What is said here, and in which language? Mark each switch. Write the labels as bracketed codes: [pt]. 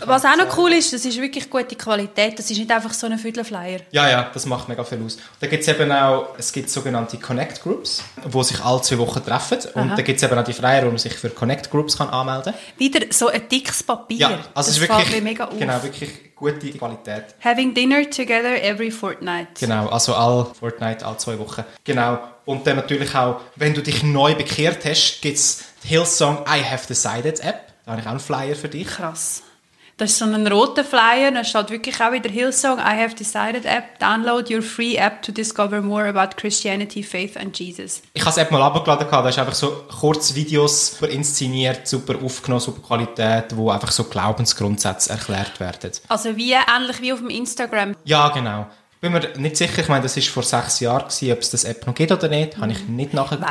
[de] kann. Was auch noch cool ist, das ist wirklich gute Qualität, das ist nicht einfach so ein Viertelflyer. Ja, das macht mega viel aus. Da gibt es eben auch, es gibt sogenannte Connect Groups, wo sich alle 2 Wochen treffen. Und da gibt es eben auch die Flyer, wo man sich für Connect Groups kann anmelden kann. Wieder so ein dickes Papier. Ja, also das ist wirklich, mega auf. Genau, wirklich gute Qualität. [en] Having dinner together every fortnight. [de] Genau, also alle Fortnite, alle 2 Wochen. Genau. Und dann natürlich auch, wenn du dich neu bekehrt hast, gibt es die Hillsong I Have Decided App. Da habe ich auch einen Flyer für dich. Krass. Das ist so ein roter Flyer. Da steht wirklich auch wieder Hillsong I Have Decided App. [en] Download your free app to discover more about Christianity, faith and Jesus. [de] Ich habe es App mal runtergeladen. Da ist einfach so kurze Videos, super inszeniert, super aufgenommen, super Qualität, wo einfach so Glaubensgrundsätze erklärt werden. Also wie ähnlich wie auf dem Instagram. Ja, genau. Bin mir nicht sicher, ich meine, das war vor 6 Jahren, ob es das App noch gibt oder nicht. Habe ich nicht nachgeguckt.